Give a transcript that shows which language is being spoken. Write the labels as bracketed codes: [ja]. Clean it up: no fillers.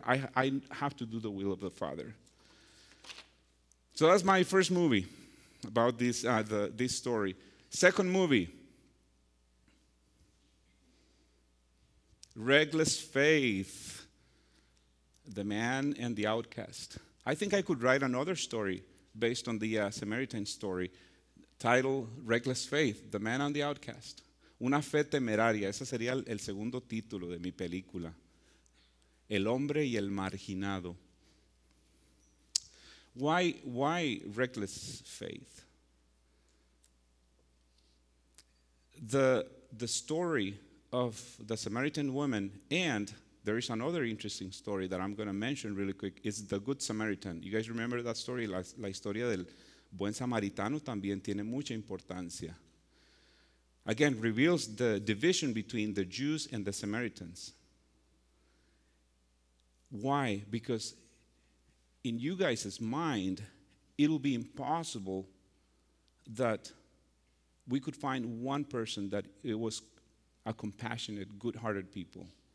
[en] I have to do the will of the Father. So that's my first movie about this this story. Second movie. Reckless faith. The man and the outcast. I think I could write another story based on the Samaritan story. Title, Reckless Faith, The Man and the Outcast. [es] Una fe temeraria. Ese sería el segundo título de mi película. El hombre y el marginado. [en] Why reckless faith? The story of the Samaritan woman, and there is another interesting story that I'm going to mention really quick. It's the Good Samaritan. You guys remember that story? [es] La historia del Buen Samaritano también tiene mucha importancia. [en] Again, reveals the division between the Jews and the Samaritans. Why? Because in you guys' mind, it'll be impossible that we could find one person that it was a compassionate, good-hearted people.